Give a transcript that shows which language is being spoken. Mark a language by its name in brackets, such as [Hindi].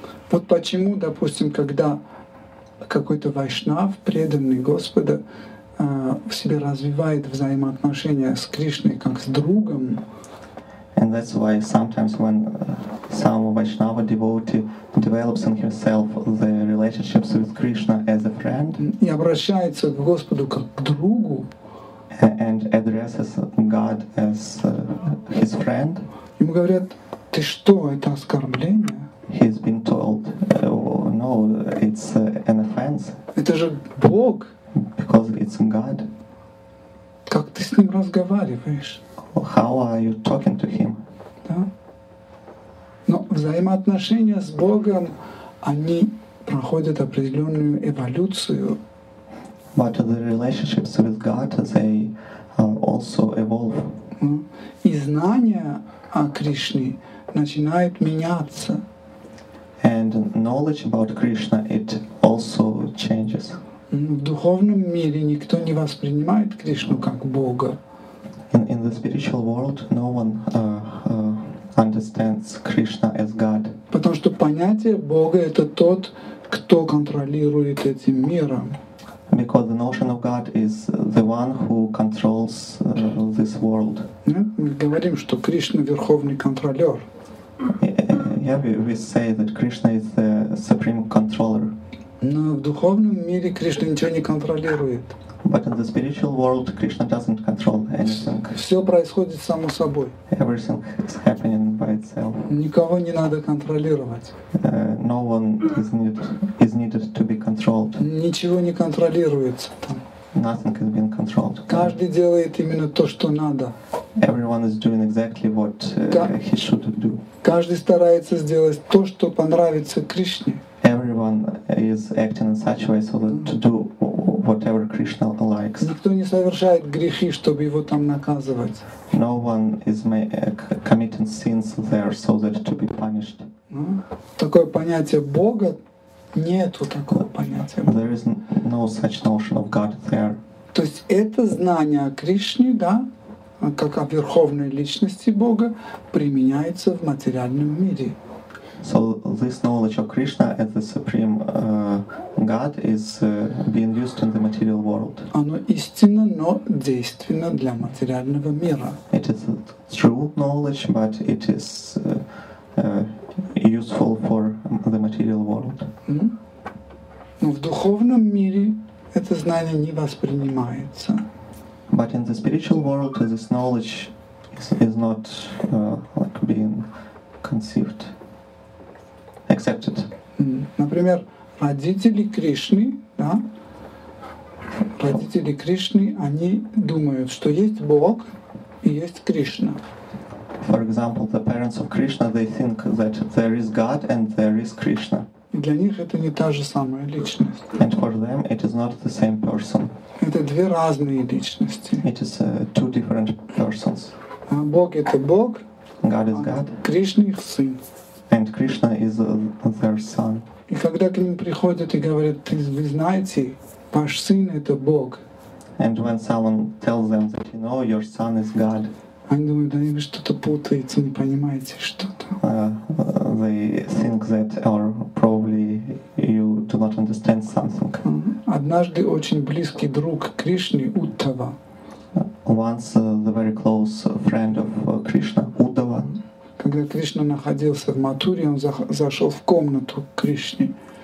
[Russian] Вот почему, допустим, когда какой-то вайшнав, преданный Господа, в себе развивает взаимоотношения с Кришной как с другом. [English] And that's why sometimes when some Vaishnava devotee develops in himself the relationships with Krishna as a friend. [Russian] И обращается к Господу как к другу. [English] And addresses God as his friend. [Russian] Ему говорят, ты что, это оскорбление? [English] He's been told, no, it's an offense. [Russian] Это же Бог. [English] Because it's God. [Russian] Как ты с ним разговариваешь? [English] How are you talking to him? [Russian] Да. Но взаимоотношения с Богом, они проходят определенную эволюцию. [English] But the relationships with God, they also evolve. [Russian] И знания о Кришне начинают меняться. [English] And knowledge about Krishna, it also changes. [Russian] В духовном мире никто не воспринимает Кришну как Бога. [English] In the spiritual world, no one understands Krishna as God. [Russian] Потому что понятие Бога это тот, кто контролирует этим миром. [English] Because the notion of God is the one who controls this world. [Russian] Мы говорим, что Кришна верховный контролер. [English] Yeah, we say that Krishna is the supreme controller. [Russian] Но в духовном мире Кришна ничего не контролирует. [English] But in the spiritual world, Krishna doesn't control anything. [Russian] Все происходит само собой. [English] Everything is happening by itself. [Russian] Никого не надо контролировать. [English] No one is needed to be controlled. [Russian] Ничего не контролируется. [English] Nothing is being controlled. [Russian] Каждый делает именно то, что надо. [English] Everyone is doing exactly what he should do. [Russian] Каждый старается сделать то, что понравится Кришне. [English] Everyone is acting in such a way so that to do whatever Krishna likes. [Russian] Никто не совершает грехи, чтобы его там наказывать. [English] No one is committing sins there so that to be punished. [Russian] Такое понятие Бога нету такого понятия. [English] There is no such notion of God there. [Russian] То есть это знание о Кришне, да, как о верховной личности Бога, применяется в материальном мире. [English] So this knowledge of Krishna as the supreme God is being used in the material world. [Russian] Оно истинно, но действенно для материального мира. [English] It is true knowledge, but it is useful for the material world. [Russian] Но в духовном мире это знание не воспринимается. [English] But in the spiritual world, this knowledge is not like being conceived. Accepted. [Russian] Например, родители Кришны, да? Родители Кришны, они думают, что есть Бог и есть Кришна. [English] For example, the parents of Krishna, they think that there is God and there is Krishna. [Russian] И для них это не та же самая личность. [English] And for them, it is not the same person. [Russian] Это две разные личности. [English] It is two different persons. [Russian] А Бог это Бог. [English] God is God. [Russian] Кришна их сын. [English] And Krishna is their son. [Russian] И когда к ним приходят и говорят, вы знаете, ваш сын это Бог. [English] And when someone tells them that you know your son is God. [Russian] Они думают, да, вы что-то путаете, не понимаете что-то. [English] They think that, or probably you do not understand something. [Russian] Однажды очень близкий друг Кришны Уттава. [English] Once the very close friend of Krishna Уттава. [Russian] Когда Кришна находился в Матуре, он зашел в комнату к Кришне.